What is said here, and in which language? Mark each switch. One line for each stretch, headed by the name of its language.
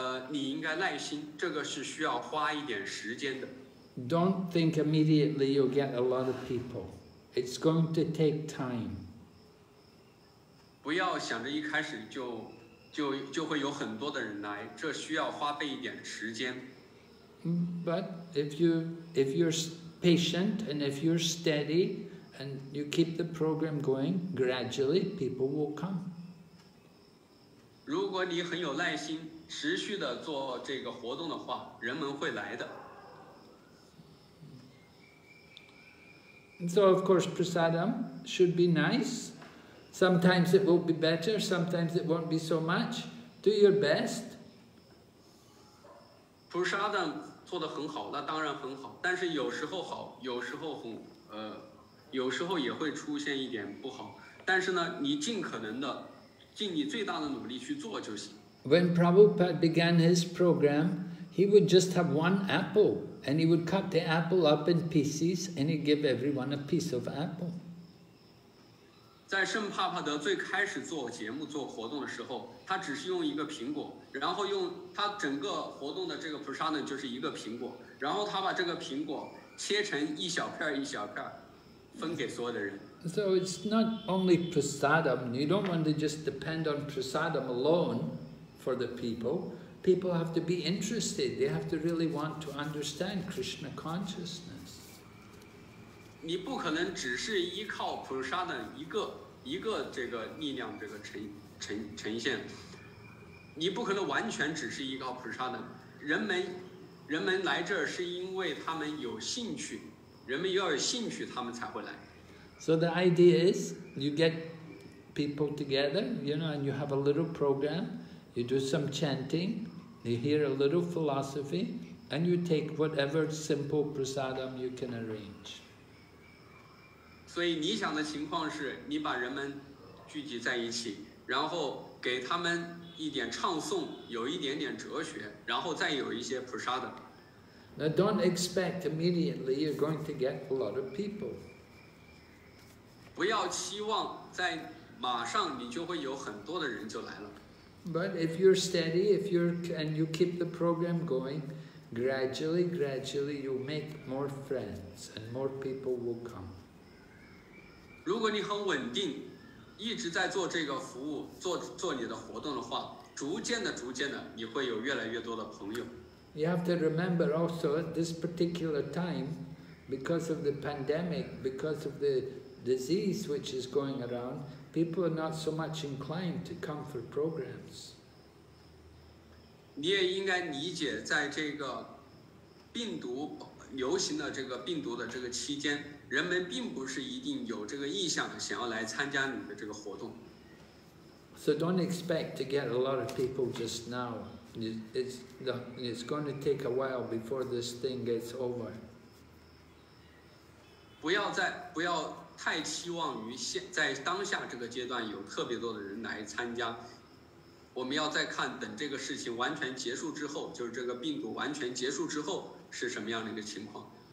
Chinese: 你应该耐心，这个是需要花一点时间的。
English: Don't think immediately you'll get a lot of people. It's going to take time.
Chinese: 不要想着一开始就会有很多的人来，这需要花费一点时间。
English: But if you're patient and if you're steady and you keep the program going, gradually people will come.
Chinese: 如果你很有耐心，持续的做这个活动的话，人们会来的。
English: So of course, prasadam should be nice. Sometimes it will be better, sometimes it won't be so much. Do your best.
Chinese: Prasadam 做得很好，那当然很好。但是有时候好，有时候很有时候也会出现一点不好。但是呢，你尽可能的，尽你最大的努力去做就行。
English: When Prabhupada began his program, he would just have one apple. And he would cut the apple up in pieces and he'd give everyone a piece of apple.
Chinese: 在圣帕帕德最开始做节目做活动的时候，他只是用一个苹果，然后用他整个活动的这个 prasadam 就是一个苹果，然后他把这个苹果切成一小片一小片分给所有的人。
English: So it's not only prasadam. You don't want to just depend on prasadam alone for the people. People have to be interested. They have to really want to understand Krishna consciousness.
Chinese: 你不可能只是依靠普沙的一个这个力量这个呈现。你不可能完全只是依靠普沙的。人们来这是因为他们有兴趣，人们要有兴趣，他们才会来。
English: So the idea is, you get people together, you know, and you have a little program. You do some chanting, you hear a little philosophy, and you take whatever simple prasadam you can arrange.
Chinese: 所以理想的情况是你把人们聚集在一起，然后给他们一点唱诵，有一点点哲学，然后再有一些 prasadam.
English: Now don't expect immediately you're going to get a lot of people.
Chinese: 不要期望在马上你就会有很多的人就来了。
English: But if you're steady, if you're and you keep the program going, gradually you'll make more friends and more people will come.
Chinese: 如果你很稳定，一直在做这个服务，做你的活动的话，逐渐的，你会有越来越多的朋友。
English: You have to remember also at this particular time, because of the pandemic, because of the disease which is going around. People are not so much inclined to come for programs.
Chinese: 你也应该理解，在这个病毒流行的这个病毒的这个期间，人们并不是一定有这个意向想要来参加你的这个活动。
English: So don't expect to get a lot of people just now. It's going to take a while before this thing gets over.
Chinese: 不要太期望于在当下这个阶段有特别多的人来参加，我们要再看等这个事情完全结束之后，就是这个病毒完全结束之后是什么样的一个情况。